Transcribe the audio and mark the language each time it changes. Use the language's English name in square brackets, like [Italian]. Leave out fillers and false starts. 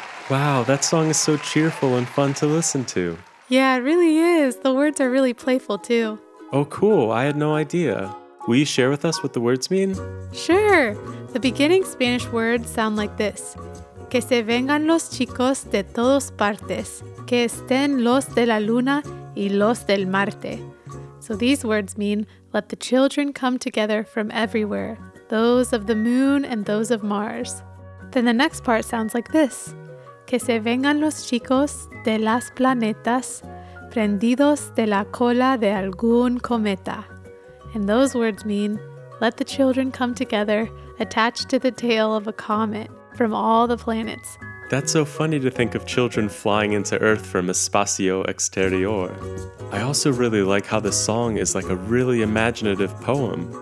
[English] Wow, that song is so cheerful and fun to listen to. Yeah, it really is. The words are really playful, too. Oh, cool. I had no idea. Will you share with us what the words mean? Sure. The beginning Spanish words sound like this. [Spanish] Que se vengan los chicos de todas partes. Que estén los de la luna y los del Marte. [English] So these words mean, let the children come together from everywhere. Those of the moon and those of Mars. Then the next part sounds like this. [Spanish] Que se vengan los chicos de las planetas prendidos de la cola de algún cometa. [English] And those words mean, let the children come together attached to the tail of a comet from all the planets. That's so funny to think of children flying into Earth from [Spanish] espacio exterior. [English] I also really like how the song is like a really imaginative poem.